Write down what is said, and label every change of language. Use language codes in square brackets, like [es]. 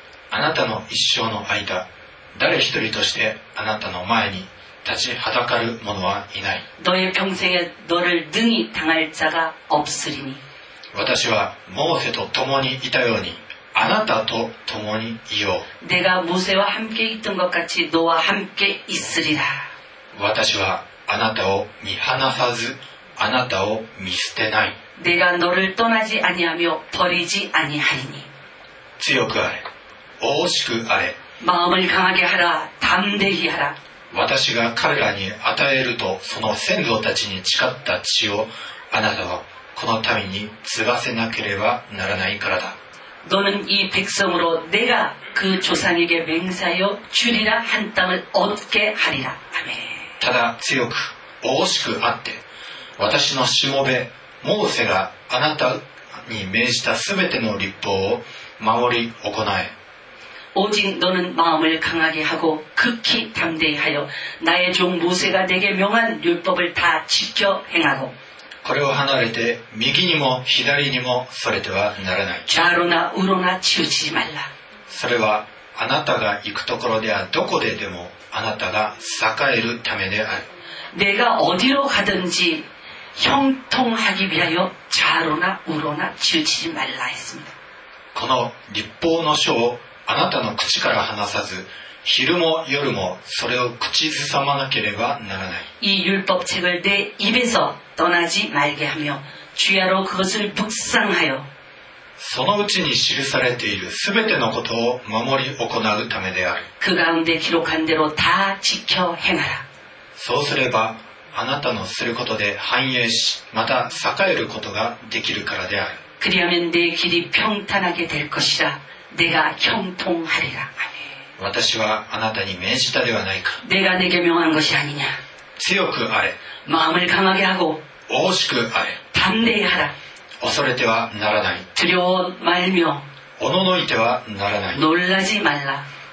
[ja] あなたの一生の間誰一人としてあなたの前に立ちはだかる者はいない。 [ko] 너의평생에너를능히당할자가없으리니 [ja] 私はモーセと共にいたようにあなたと共にいよう。 [ko] 내가모세와함께있던것같이너와함께있으리라 [ja] 私はあなたを見放さずあなたを見捨てない。 [ko] 내가너를떠나지아니하며버리지아니하리니 [ja] 強くあれ大きくあれ [ko] 마음을강하게하라담대히하라 [ja] 私が彼らに与えるとその先祖たちに誓った地をあなたはこの民に継がせなければならないからだ。 [ko] 너는이백성으로내가그조상에게맹세하여주리라한땅을얻게하리라아멘 [ja] ただ強く大きくあって私のしもべモーセがあなたに命じたすべての律法を守り行え [ko] 오직너는마음을강하게하고극히담대히하여나의종모세가내게명한율법을다지켜행하고 [ja] これを離れて右にも左にもそれてはならない。 [ko] 좌로나우로나치우치지말라 [ja] それはあなたが行くところではどこででもあなたが栄えるためである。 [ko] 내가어디로가든지형통하기위하여좌로나우로나치우치지말라했습니다 [ja] この律法の書をあなたの口から離さず昼も夜もそれを口ずさまなければならない。 [ko] 이율법책을내입에서떠나지말게하며주야로그것을묵상하여 [ja] そのうちに記されているすべてのことを守り行うためである。 [ko] 그가운데기록한대로다지켜행하라 [ja] そうすればあなたのすることで繁栄しまた栄えることができるからである。 [ko] 그리하면내길이평탄하게될것이라내가형통하리라 [ja] 私はあなたに命じたではないか [ko] 내가내게명한것이아니냐 [ja] 強くあれ [ko] 마음을강하게하고 [ja] 大きくあれ [ko] 담대히하라 [ja] 恐れてはならない [ko] 두려워말며 [ja] おののいてはならない [ko] 놀라지말라